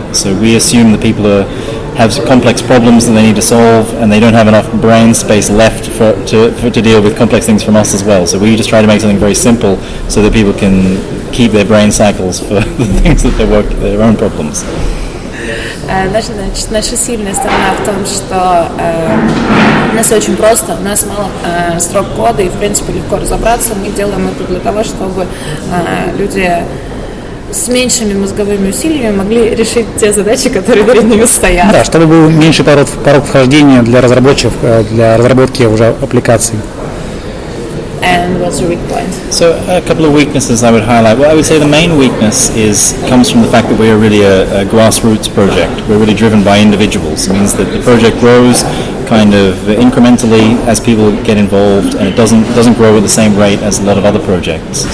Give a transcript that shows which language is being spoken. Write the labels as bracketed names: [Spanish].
[English] So we assume that people have complex problems that they need to solve, and they don't have enough brain space left to deal with complex things from us as well. So we just try to make something very simple so that people can keep their brain cycles for the things that they work their own problems. [Russian] Значит, наша сильная сторона в том, что у нас очень просто, у нас мало строк кода, и, в принципе, легко разобраться. Мы делаем это для того, чтобы люди с меньшими мозговыми усилиями могли решить те задачи, которые перед ними стоят. Да, чтобы был меньше порог вхождения для разработчиков, для разработки уже аппликаций. [English] And what's your weak point? So a couple of weaknesses I would highlight. Well, I would say the main weakness comes from the fact that we are really a grassroots project. We're really driven by individuals. It means that the project grows kind of incrementally as people get involved, and it doesn't grow at the same rate as a lot of other projects.